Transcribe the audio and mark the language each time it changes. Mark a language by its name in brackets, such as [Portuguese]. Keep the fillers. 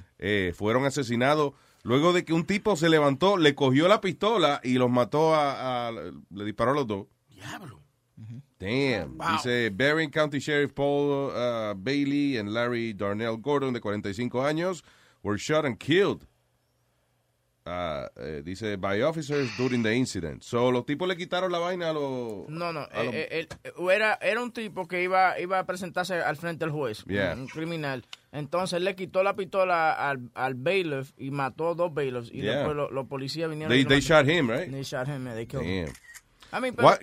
[Spanish] Eh, fueron asesinados luego de que un tipo se levantó, le cogió la pistola y los mató a, a, a le disparó a los dos. [English] Diablo. Mm -hmm. Damn. Oh, wow. Dice Bering County Sheriff Paul uh, Bailey and Larry Darnell Gordon, [Spanish] de 45 años, [English] were shot and killed. Uh, eh, dice by officers during the incident. [Spanish] So los tipos le quitaron la vaina a los. No, no. era, lo... eh, eh, era un tipo que iba, iba a presentarse al frente del juez. Yeah. Un, un criminal. Entonces él le quitó la pistola al, al, bailiff y mató dos bailiffs. [English] Y yeah. [Spanish] después los lo policías vinieron. [English] They, y they shot him, right? They shot him, they killed him. I mean, but, what?